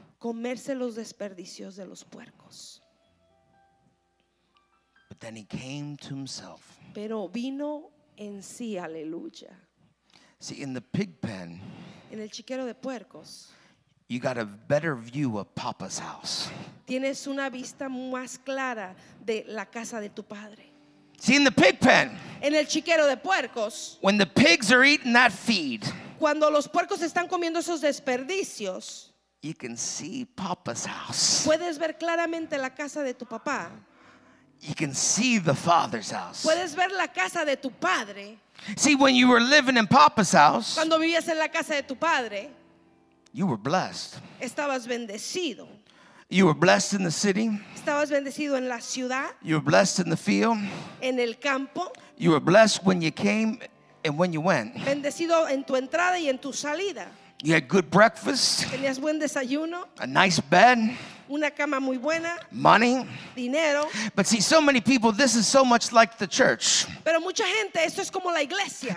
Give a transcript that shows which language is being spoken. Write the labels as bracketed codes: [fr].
[es] Comerse los desperdicios de los puercos. [en] But then he came to himself. [es] Pero vino en sí, aleluya. [en] See, in the pig pen, [es] en el chiquero de puercos, [en] you got a better view of Papa's house. [es] Tienes una vista más clara de la casa de tu padre. [en] See, in the pig pen, [es] en el chiquero de puercos, [en] when the pigs are eating that feed, [es] cuando los puercos están comiendo esos desperdicios, [en] you can see Papa's house. [es] Puedes ver claramente la casa de tu papá. [en] You can see the Father's house. [es] Puedes ver la casa de tu padre. [en] See, when you were living in Papa's house, [es] cuando vivías en la casa de tu padre, [en] you were blessed. [es] Estabas bendecido. [en] You were blessed in the city. [es] Estabas bendecido en la ciudad. [en] You were blessed in the field. [es] En el campo. [en] You were blessed when you came and when you went. [es] Bendecido en tu entrada y en tu salida. [en] You had good breakfast. [es] Tenías buen desayuno. [en] A nice bed. [es] Una cama muy buena. [en] Money. [es] Dinero. [en] But see, so many people, this is so much like the church. [es] Pero mucha gente, esto es como la iglesia.